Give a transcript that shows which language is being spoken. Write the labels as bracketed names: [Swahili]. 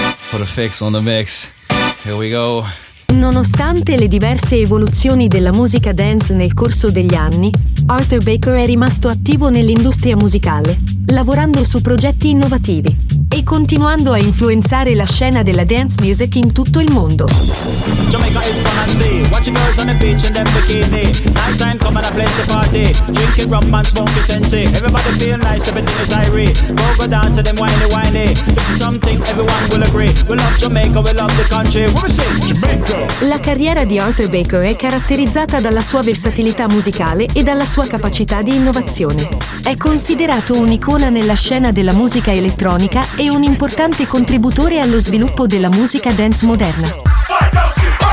[English] Put a fix on the mix. Here we go. [Italian] Nonostante le diverse evoluzioni della musica dance nel corso degli anni, Arthur Baker è rimasto attivo nell'industria musicale, lavorando su progetti innovativi. E continuando a influenzare la scena della dance music in tutto il mondo. [English] Jamaica is fun and sea, watching girls on the beach in them bikini. Night time come and a place to party, drinking rum and smoking sensei. Everybody feel nice, everything is irie. Go dance to them whiny whiny. This is something everyone will agree. We love Jamaica, we love the country. What we say? Jamaica. [Italian] La carriera di Arthur Baker è caratterizzata dalla sua versatilità musicale e dalla sua capacità di innovazione. È considerato un'icona nella scena della musica elettronica e un importante contributore allo sviluppo della musica dance moderna.